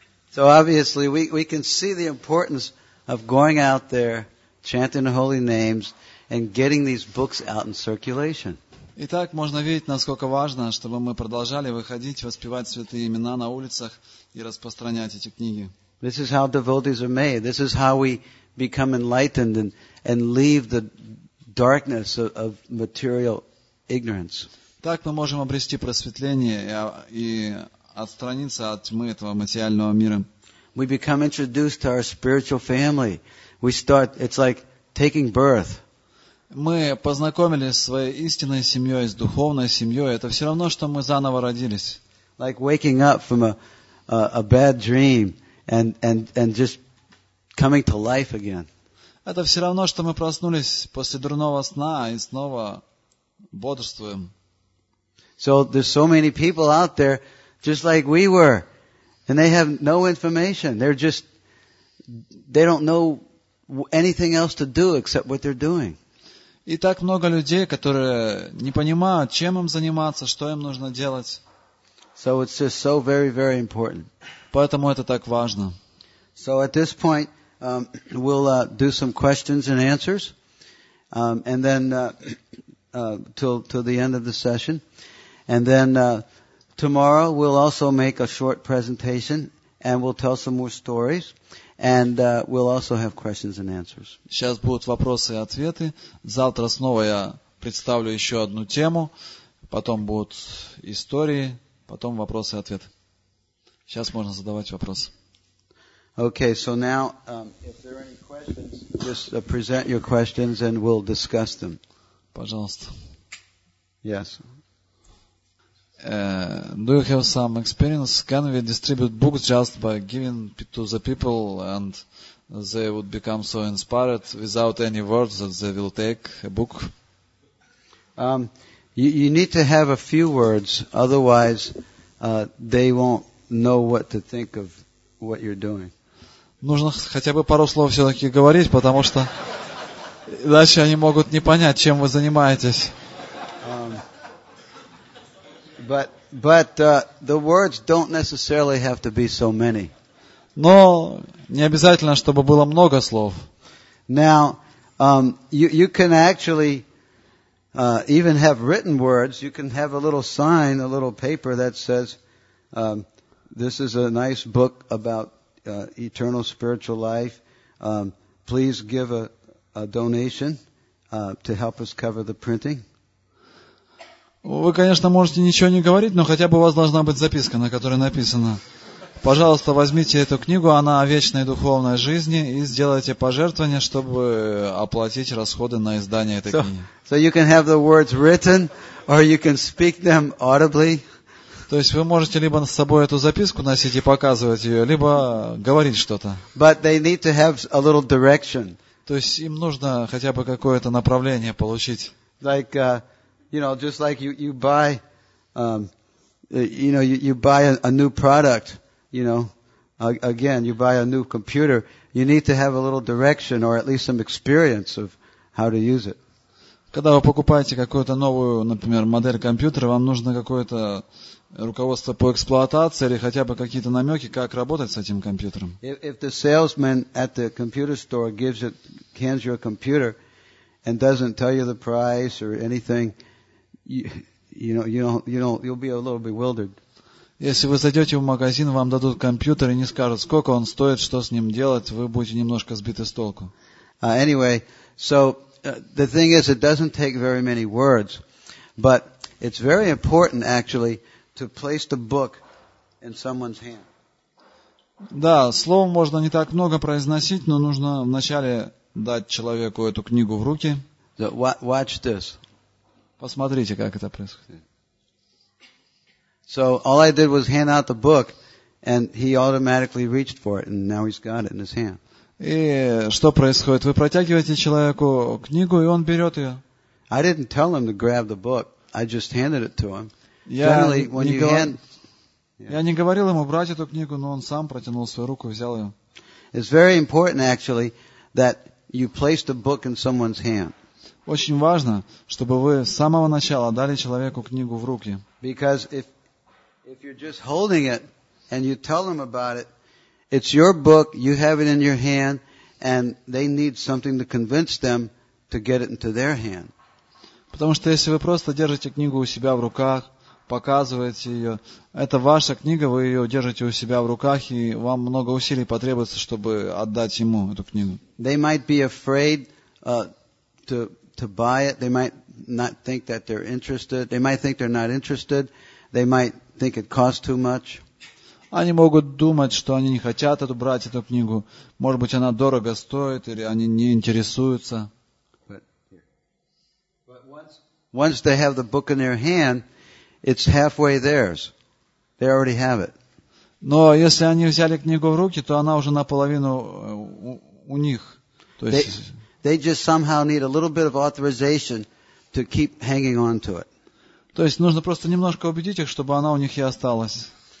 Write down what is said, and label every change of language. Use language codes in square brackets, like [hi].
[en] So obviously we can see the importance of going out there, chanting the holy names, and getting these books out in circulation. [ru] Итак, можно видеть, насколько важно, чтобы мы продолжали выходить, воспевать святые имена на улицах и распространять эти книги. [en] This is how devotees are made. This is how we become enlightened and leave the darkness of material ignorance. [ru] Так мы можем обрести просветление и отстраниться от тьмы этого материального мира. [en] We become introduced to our spiritual family. We start, it's like taking birth. [ru] Мы познакомились с своей истинной семьей, с духовной семьей. Это все равно, что мы заново родились. [en] Like waking up from a bad dream and just coming to life again. [ru] Это все равно, что мы проснулись после дурного сна и снова бодрствуем. [en] So there's so many people out there, just like we were, and they have no information. They're just, they don't know anything else to do except what they're doing. [ru] И так много людей, которые не понимают, чем им заниматься, что им нужно делать. [en] So it's just so very, very important. [ru] Поэтому это так важно. [en] So at this point, we'll do some questions and answers, and then till the end of the session, and then tomorrow we'll also make a short presentation, and we'll tell some more stories. And we'll also have questions and answers. [ru] Сейчас будут вопросы и ответы. Завтра снова я представлю еще одну тему. Потом будут истории. Потом вопросы и ответы. Сейчас можно задавать вопросы. [en] Okay, so now, if there are any questions, just present your questions and we'll discuss them. [ru] Пожалуйста. [en] Yes. Do you have some experience? Can we distribute books just by giving it to the people and they would become so inspired without any words that they will take a book? You need to have a few words, otherwise they won't know what to think of what you're doing. [ru] Нужно хотя бы пару слов все-таки говорить, потому что иначе они могут не понять, чем вы занимаетесь. [en] But the words don't necessarily have to be so many. [ru] Но не обязательно, чтобы было много слов. [en] Now, you can actually even have written words. You can have a little sign, a little paper that says, "This is a nice book about eternal spiritual life. Please give a donation to help us cover the printing." [ru] Вы, конечно, можете ничего не говорить, но хотя бы у вас должна быть записка, на которой написано: пожалуйста, возьмите эту книгу, она о вечной духовной жизни, и сделайте пожертвование, чтобы оплатить расходы на издание этой книги. [en] So you can have the words written, or you can speak them audibly. [ru] То есть вы можете либо с собой эту записку носить и показывать ее, либо говорить что-то. [en] But they need to have a little direction. [ru] То есть им нужно хотя бы какое-то направление получить. [en] Like, you know, just like you buy a new product, you know, again, you buy a new computer, you need to have a little direction or at least some experience of how to use it. [ru] Когда вы покупаете какую-то новую, например, модель компьютера, вам нужно какое-то руководство по эксплуатации или хотя бы какие-то намеки, как работать с этим компьютером. [en] If the salesman at the computer store hands you a computer and doesn't tell you the price or anything, you'll be a little bewildered. [ru] Если вы зайдете в магазин, вам дадут компьютер и не скажут, сколько он стоит, что с ним делать, вы будете немножко сбиты с толку. [en] Anyway, so the thing is, it doesn't take very many words, but it's very important actually to place the book in someone's hand. [ru] Да, слов можно не так много произносить, но нужно вначале дать человеку эту книгу в руки. [en] So, watch this. [ru] Посмотрите, как это происходит. [en] So all I did was hand out the book, and he automatically reached for it, and now he's got it in his hand. [ru] И что происходит? Вы протягиваете человеку книгу, и он берет ее. [en] I didn't tell him to grab the book. I just handed it to him. Generally, [ru] я не говорил ему брать эту книгу, но он сам протянул свою руку и взял ее. [en] It's very important, actually, that you place the book in someone's hand. [ru] Очень важно, чтобы вы с самого начала дали человеку книгу в руки. [en] Because if, If you're just holding it and you tell them about it, it's your book, you have it in your hand, and they need something to convince them to get it into their hand. [ru] Потому что если вы просто держите книгу у себя в руках, показываете ее, это ваша книга, вы ее держите у себя в руках, и вам много усилий потребуется, чтобы отдать ему эту книгу. [en] They might be afraid to buy it. They might not think that they're interested. They might think they're not interested. They might think it costs too much. [ru] Они могут думать, что они не хотят эту брать эту книгу. Может быть, она дорого стоит, или они не интересуются. [en] Once they have the book in their hand, it's halfway theirs. They already have it. [ru] Но если они взяли книгу в руки, то она уже наполовину у них. То есть [en] they just somehow need a little bit of authorization to keep hanging on to it. [ru] То есть нужно просто немножко убедить их, чтобы она у них и осталась.